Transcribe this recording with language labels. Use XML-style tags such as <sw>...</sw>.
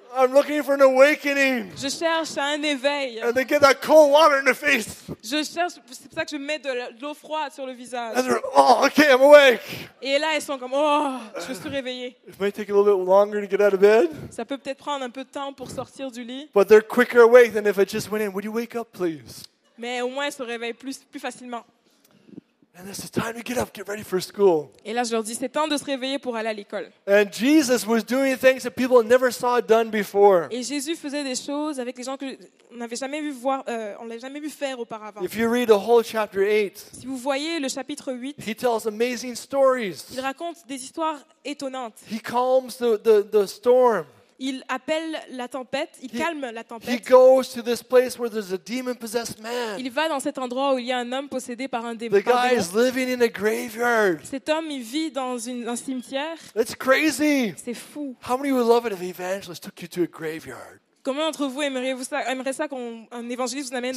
<en>I'm looking for an awakening.</en> <fr>Je cherche un éveil.</fr> <en>And they get that cold water in the face.</en> <fr>Je cherche, c'est pour ça que je mets de l'eau froide sur le visage.</fr> <en>And they're, oh, okay, I'm awake.</en> <fr>Et là, elles sont comme, oh, je suis réveillée.</fr> <en>It may take a little bit longer to get out of bed.</en> <fr>Ça peut peut-être prendre un peu de temps pour sortir du lit.</fr> <en>But they're quicker awake than if I just went in. Would you wake up, please?</en> <fr>Mais au moins, elles se réveillent plus facilement.</fr> <en>And it's time to get up, get ready for school.</en> <fr>Et là, je leur dis, c'est temps de se réveiller pour aller à l'école.</fr> <en>And Jesus was doing things that people never saw done before.</en> <fr>Et Jésus faisait des choses avec les gens que on n'avait jamais vu voir, on l'avait jamais vu faire auparavant.</fr> <en>If you read the whole chapter 8,</en> <fr>si vous voyez le chapitre 8,</fr> <en>he tells amazing stories.</en> <fr>Il raconte des histoires étonnantes.</fr> <en>He calms the storm.</en> <fr>Il appelle la tempête, il calme la tempête.</fr> <en>He goes to this place where there's a demon-possessed man.</en> <fr>Il va dans cet endroit où il y a un homme possédé par un démon.</fr> <en>The guy is living in a graveyard.</en> <fr>Cet homme, il vit dans un cimetière.</fr> <en>It's crazy.</en> <fr>C'est fou.</fr> <en>How many would love it if an evangelist took you to a graveyard?</en> <fr>Comment d'entre vous aimeriez ça qu'un évangéliste vous amène</fr>